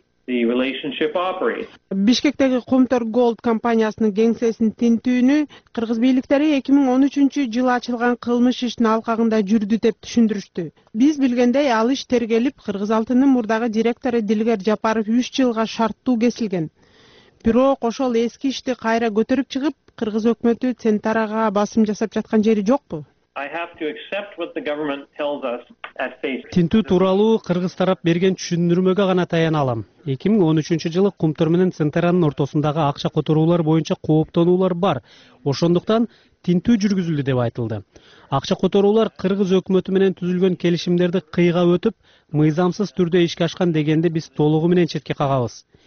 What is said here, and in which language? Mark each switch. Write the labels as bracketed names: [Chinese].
[Kyrgyz] Бишкектеги Кумтор Голд компаниясынын кеңсесинин тинтүүнү кыргыз бийликтери 2013 жылы ачылган кылмыш иштин алкагында жүрдү деп түшүндүрүштү. Биз билгендей ал иш тергелип, Кыргыз Алтынынын мурдагы директору Дилгер Жапаров 3 жылга шарттуу кесилген. Бирок ошол эски ишти кайра көтөрүп чыгып, кыргыз өкмөтү Центарага басым жасап жаткан жери жокпу? [English] I have to accept what the government tells us at face. [Kyrgyz] Тинтүү тууралуу кыргыз тарап берген түшүндүрмөгө гана таяна алам. 2013 жылы Кумтор менен Центеранын ортосундагы акча которуулар боюнча кооптонуулар бар. Ошондуктан тинтүү жүргүзүлдү деп айтылды. Акча которуулар кыргыз өкмөтү менен түзүлгөн келишимдерди кыйга өтүп, мыйзамсыз түрдө ишке ашкан дегенди биз толугу менен четке кагабыз.